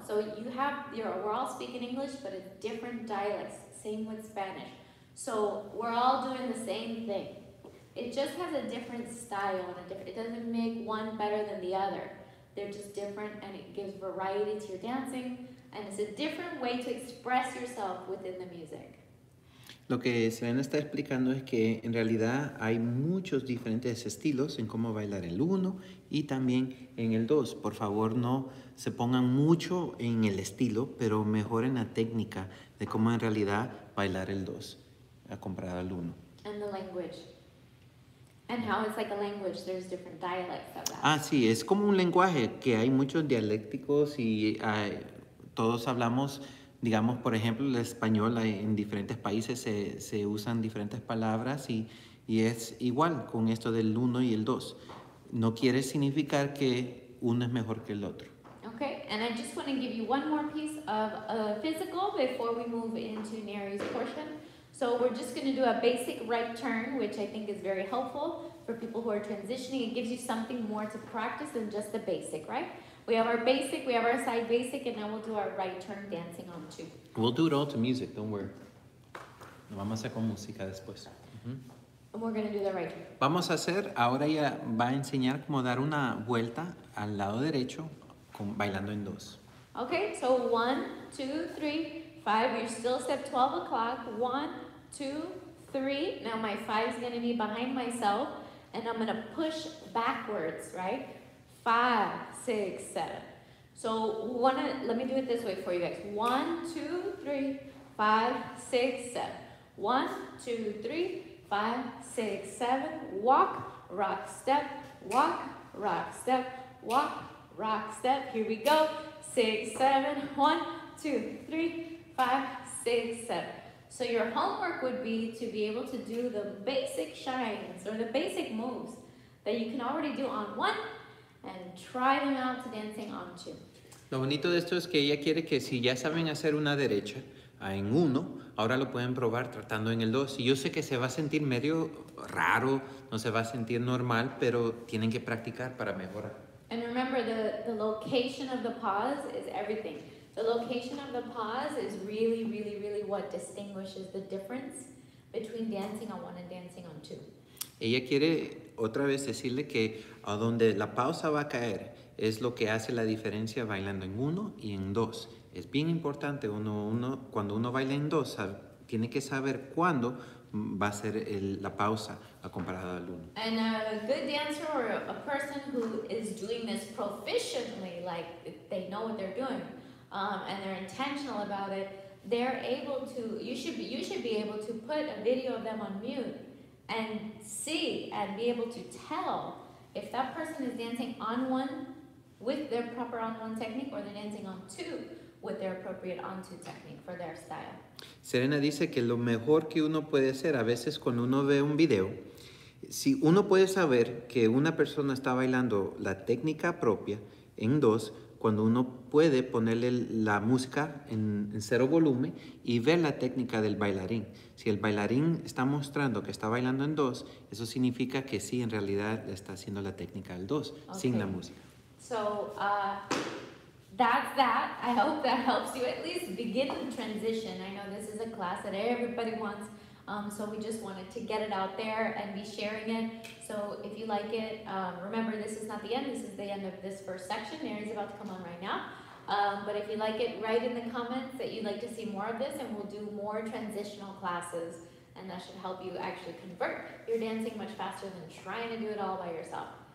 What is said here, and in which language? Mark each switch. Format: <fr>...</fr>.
<en>So you have, we're all speaking English, but it's different dialects, same with Spanish. So we're all doing the same thing. It just has a different style and a different, it doesn't make one better than the other. They're just different, and it gives variety to your dancing, and it's a different way to express yourself within the music.</en> <es>Lo que Serena está explicando es que en realidad hay muchos diferentes estilos en cómo bailar el 1 y también en el 2. Por favor, no se pongan mucho en el estilo, pero mejor en la técnica de cómo en realidad bailar el 2 comparado al 1.</es> <en>And the language. And how it's like a language, there's different dialects of that.</en> <es>Ah, sí, es como un lenguaje que hay muchos dialécticos y todos hablamos. Digamos, por ejemplo, el español en diferentes países se usan diferentes palabras y es igual con esto del 1 y el 2. No quiere significar que uno es mejor que el otro.</es> <en>Okay, and I just want to give you one more piece of physical before we move into Nery's portion. So we're just going to do a basic right turn, which I think is very helpful for people who are transitioning. It gives you something more to practice than just the basic, right? We have our basic, we have our side basic, and then we'll do our right turn dancing on two. We'll do it all to music, don't worry.</en> <es>Lo vamos a hacer con música después.</es> <en>And we're going to do the right turn.</en> <es>Vamos a hacer, ahora ella va a enseñar cómo dar una vuelta al lado derecho con, bailando en dos.</es> <en>Okay, so 1, 2, 3, 5. You're still step 12 o'clock. 1, 2, 3. Now my 5 is going to be behind myself, and I'm going to push backwards, right? 5, 6, 7. So one, let me do it this way for you guys. 1, 2, 3, 5, 6, 7. 1, 2, 3, 5, 6, 7. Walk, rock, step, walk, rock, step, walk, rock, step. Here we go. 6, 7. 1, 2, 3, 5, 6, 7. So your homework would be to be able to do the basic shines or the basic moves that you can already do on one. And try them out to dancing on two.</en> <es>Lo bonito de esto es que ella quiere que si ya saben hacer una derecha en uno, ahora lo pueden probar tratando en el dos. Y yo sé que se va a sentir medio raro, no se va a sentir normal, pero tienen que practicar para mejorar.</es> <en>And remember, the location of the pause is everything. The location of the pause is really, really, really what distinguishes the difference between dancing on one and dancing on two.</en> <es>Ella quiere otra vez decirle que a donde la pausa va a caer es lo que hace la diferencia bailando en uno y en dos. Es bien importante cuando uno baila en dos, tiene que saber cuándo va a ser la pausa comparada al uno.</es> <en>And a good dancer or a person who is doing this proficiently, like they know what they're doing, and they're intentional about it, they're able to, you should be able to put a video of them on mute and see and be able to tell if that person is dancing on one with their proper on one technique or they're dancing on two with their appropriate on two technique for their style.</en> <es>Serena dice que lo mejor que uno puede hacer a veces cuando uno ve un video, si uno puede saber que una persona está bailando la técnica propia en dos, cuando uno puede ponerle la música en cero volumen y ver la técnica del bailarín. Si el bailarín está mostrando que está bailando en dos, eso significa que sí, en realidad, está haciendo la técnica al dos, okay. Sin la música.</es> <en>So, that's that. I hope that helps you at least begin the transition. I know this is a class that everybody wants, so we just wanted to get it out there and be sharing it. So if you like it, remember this is not the end. This is the end of this first section. Nery's about to come on right now. But if you like it, write in the comments that you'd like to see more of this, and we'll do more transitional classes, and that should help you actually convert your dancing much faster than trying to do it all by yourself.</en>